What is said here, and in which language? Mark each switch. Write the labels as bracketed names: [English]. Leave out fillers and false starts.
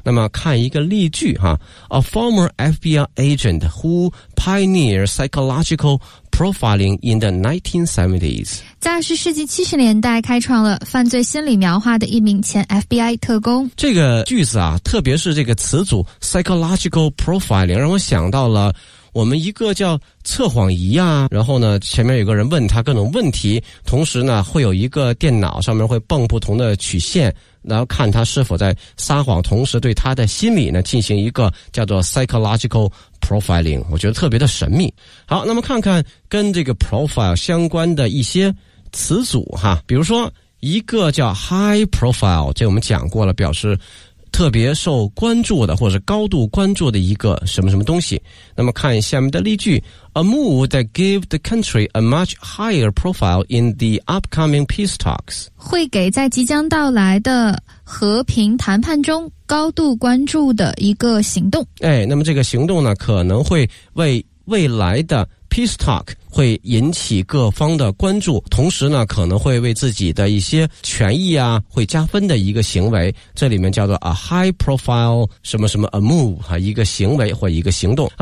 [Chinese] 那么看一个例句哈 [English] A former FBI agent who pioneered psychological profiling in the 1970s， [Chinese] 在是世纪70年代开创了犯罪心理描画的一名前 FBI 特工。这个句子啊，特别是这个词组 psychological profiling， 让我想到了我们一个叫测谎仪啊，然后呢前面有个人问他各种问题，同时呢会有一个电脑上面会蹦不同的曲线，然后看他是否在撒谎，同时对他的心理呢进行一个叫做 psychological profiling， 我觉得特别的神秘。好，那么看看跟这个 profile 相关的一些词组哈，比如说一个叫 high profile， 这我们讲过了，表示特别受关注的或者高度关注的一个什么什么东西。那么看下面的例句， [English] A move that gave the country a much higher profile in the upcoming peace talks. [Chinese] 会给在即将到来的和平谈判中高度关注的一个行动。哎，那么这个行动呢，可能会为未来的Peace Talk 会引起各方的关注，同时呢，可能会为自己的一些权益啊，会加分的一个行为，这里面叫做 a high profile 什么什么 a move 哈，一个行为或一个行动。